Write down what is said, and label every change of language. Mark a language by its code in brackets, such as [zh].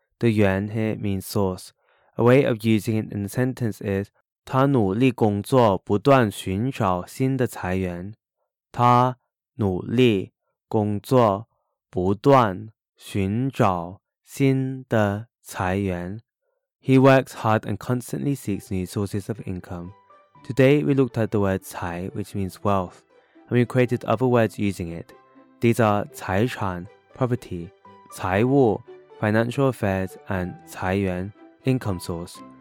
[en] The 源 here means source. A way of using it in a sentence is [zh] 他努力工作，不断寻找新的财源。他努力工作，不断寻找新的財源. [en] He works hard and constantly seeks new sources of income. Today, we looked at the word 財, which means wealth, and we created other words using it. These are 財產, property, 財務, financial affairs, and 財源, income source.